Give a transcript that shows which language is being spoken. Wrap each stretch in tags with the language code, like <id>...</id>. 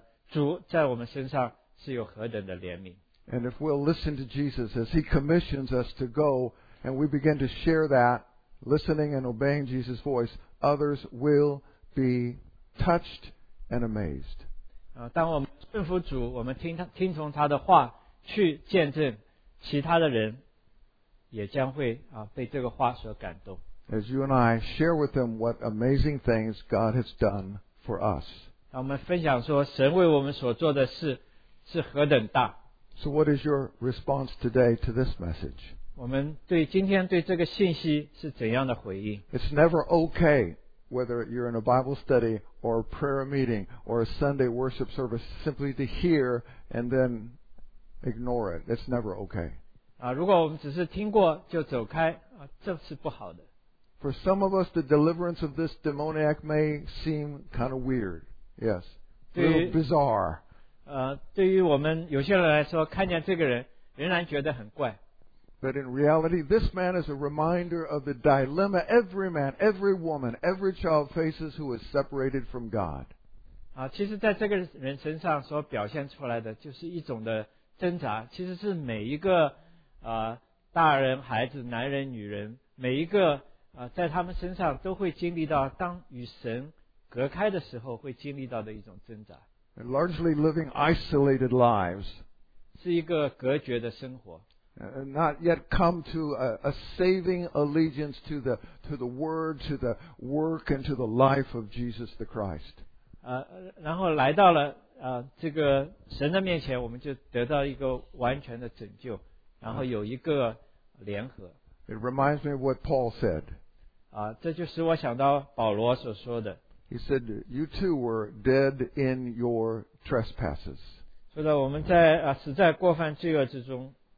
<zh>主在我们身上是有何等的怜悯。</zh> <en>And if we'll listen to Jesus as He commissions us to go, and we begin to share that, listening and obeying Jesus' voice, others will be touched and amazed.</en> <zh>当我们顺服主，我们听从他的话去见证，其他的人也将会被这个话所感动。</zh> <en>As you and I share with them what amazing things God has done for us.</en> <zh>让我们分享说，神为我们所做的事是何等大。</zh> <en>So what is your response today to this message?</en> <zh>我们对今天对这个信息是怎样的回应？</zh> <en>It's never okay whether you're in a Bible study or a prayer meeting or a Sunday worship service simply to hear and then ignore it. It's never okay.</en> <zh>如果我们只是听过就走开，这是不好的。</zh> <en>For some of us, the deliverance of this demoniac may seem kind of weird. Yes, a little bizarre.</en> <zh>对于我们有些人来说，看见这个人仍然觉得很怪。</zh> <en>But in reality, this man is a reminder of the dilemma every man, every woman, every child faces who is separated from God.</en> <zh>其实在这个人身上所表现出来的就是一种的挣扎，其实是每一个大人、孩子、男人、女人，每一个在他们身上都会经历到当与神隔开的时候会经历到的一种挣扎。</zh> <en>And largely living isolated lives.</en> <zh>是一个隔绝的生活。</zh> <en>Not yet come to a saving allegiance to the word, to the work, and to the life of Jesus the Christ.</en> <zh>然后来到了这个神的面前，我们就得到一个完全的拯救，然后有一个联合。</zh> <en>It reminds me of what Paul said.</en> <zh>这就使我想到保罗所说的。</zh> <en>He said, "You too were dead in your trespasses."</en> <zh>说的我们在死在过犯罪恶之中。</zh>